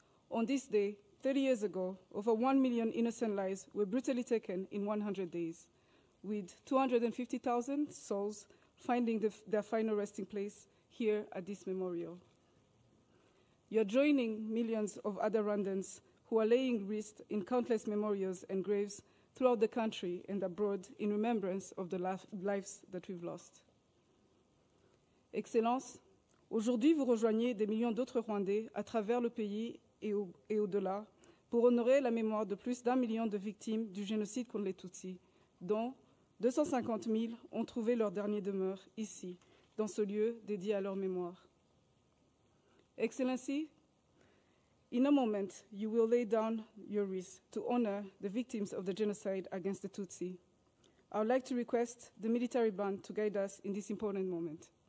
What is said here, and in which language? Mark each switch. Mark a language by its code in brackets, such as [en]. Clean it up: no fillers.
[en] On this day, 30 years ago, over 1 million innocent lives were brutally taken in 100 days, with 250,000 souls finding their final resting place here at this memorial. You're joining millions of other Rwandans who are laying wreath in countless memorials and graves throughout the country and abroad in remembrance of the lives that we've lost. [fr] Excellence, aujourd'hui vous rejoignez des millions d'autres Rwandais à travers le pays et au-delà pour honorer la mémoire de plus d'un million de victimes du génocide contre les Tutsis, dont 250 000 ont trouvé leur dernier demeure ici, dans ce lieu dédié à leur mémoire. [en] Excellency, in a moment, you will lay down your wreath to honor the victims of the genocide against the Tutsi. I would like to request the military band to guide us in this important moment.